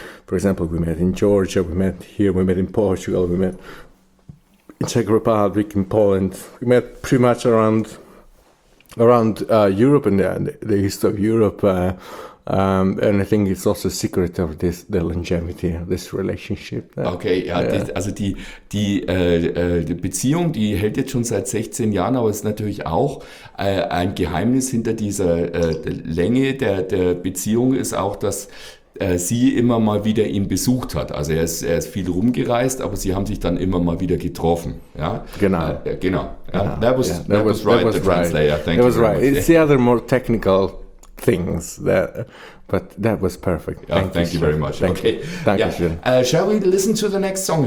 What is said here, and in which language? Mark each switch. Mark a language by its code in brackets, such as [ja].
[en] For example, we met in Georgia, we met here, we met in Portugal, we met in Czech Republic, in Poland. We met pretty much around Europe and the east of Europe. And I think it's also a secret of the longevity of this relationship. [de] Die Beziehung, die hält jetzt schon seit 16 Jahren, aber ist natürlich auch ein Geheimnis hinter dieser Länge der Beziehung ist auch, dass sie immer mal wieder ihn besucht hat. Also er ist viel rumgereist, aber sie haben sich dann immer mal wieder getroffen. Ja? Genau. [en] Genau. Yeah. That was right. That was right. It's the other more technical things that But that was perfect. Yeah, thank you very much. Thank you. Shall we listen to the next song?